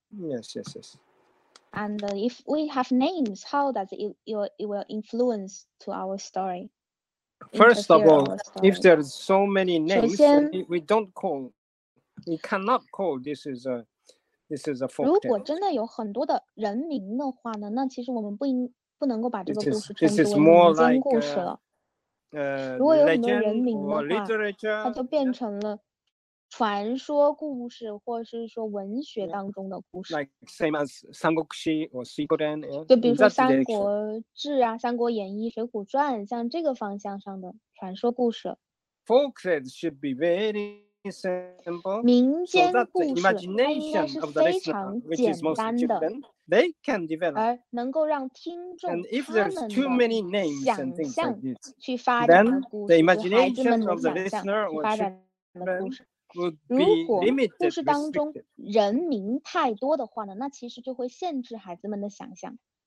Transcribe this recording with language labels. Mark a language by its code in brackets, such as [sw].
[en] Yes. And if we have names, how does it will influence to our story? First of all, if there are so many names, [zh] 首先, [en] we cannot call this is a folk tale. [zh] 如果真的有很多的人名的话呢, 那其实我们不能够把这个故事称之为真故事了。 [en] This is more like legend or literature, [zh] 它就变成了传说故事, 或是说文学当中的故事。 [en] Like same as 三国戏 or 水浒传, [zh] 就比如说三国志啊, 三国演义, 水浒传, 像这个方向上的传说故事。 [en] Folk tales should be very simple. [zh] 民间故事应该是非常简单的。 [en] They can develop. [zh] 而能够让听众, [en] and if there's too many names and things like this, [zh] 去发展的故事, [en] then the imagination of the listener or children, [zh] 如果故事当中人名太多的话呢, 那其实就会限制孩子们的想象。